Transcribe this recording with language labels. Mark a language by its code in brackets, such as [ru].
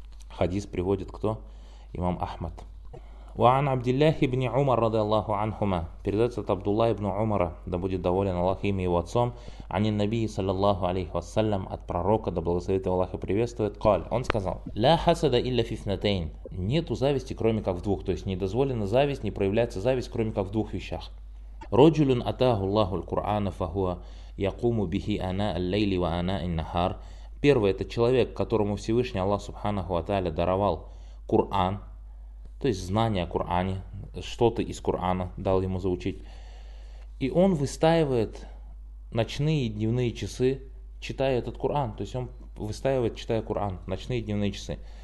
[ru] Хадис приводит кто? Имам Ахмад. [ar] وعن عبد الله بن عمر رضي الله عنهما [ru] передает от Абдулла ибн Умара, да будет доволен Аллах им и его отцом, [ar] عن النبي صلى الله عليه وسلم, [ru] от пророка, да благословит его Аллах и приветствует, [ar] قال, [ru] он сказал, [ar] لا حسد إلا في اثنتين, [ru] нету зависти, кроме как в двух, то есть не дозволена зависть, не проявляется зависть, кроме как в двух вещах. [ar] رجل أتاه الله القرآن فهو يقوم به أنا الليل وأنا النهار. [ru] Первый, это человек, которому Всевышний Аллах Субханаху ва Тааля даровал Коран, то есть знание о Коране, что-то из Корана дал ему заучить. И он выстаивает ночные и дневные часы, читая этот Коран. То есть он выстаивает, читая Коран, ночные и дневные часы.